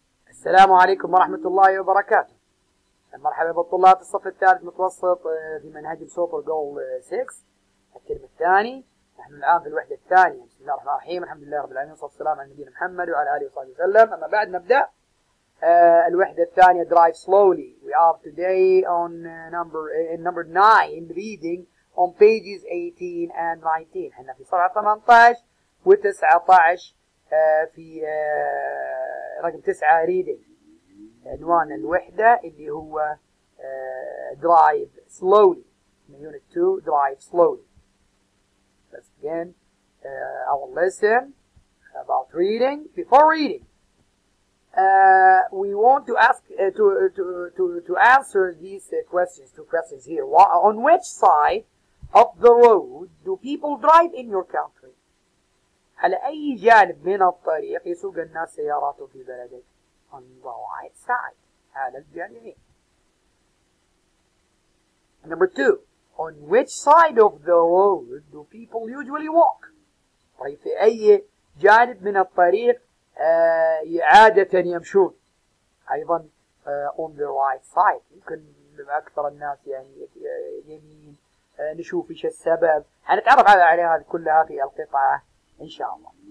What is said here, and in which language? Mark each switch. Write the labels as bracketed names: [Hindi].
[Arabic] السلام عليكم ورحمة الله وبركاته. مرحبا بالطلاب الصف الثالث متوسط في منهج سوبر جول 6 الترم الثاني. نحن الآن في الوحدة الثانية. بسم الله الرحمن الرحيم، الحمد لله رب العالمين، والصلاة والسلام على نبينا محمد وعلى آله وصحبه وسلم. أما بعد، نبدأ الوحدة الثانية. [English] Drive slowly. We are today on number 9 reading on pages 18 and 19. [Arabic] حنا في صفحة 18 و19 في رقم 9 reading. عنوان الوحدة اللي هو [English] Drive slowly. Unit 2, Drive slowly. Let's begin our lesson about reading. Before reading, we want to ask to answer these two questions here. On which side of the road do people drive in your country? [Arabic] على أي جانب من الطريق يسوق الناس سياراته في بلدك؟ [English] On the right side. [Arabic] على الجانب. [English] Number two. On which side of the road do people usually walk? [Arabic] طيب في أي جانب من الطريق عادة يمشون؟ أيضا [English] on the right side. [Arabic] يمكن أكثر الناس يعني يمين. نشوف إيش السبب. هنتعرف عليها كلها في القطعة إن شاء الله.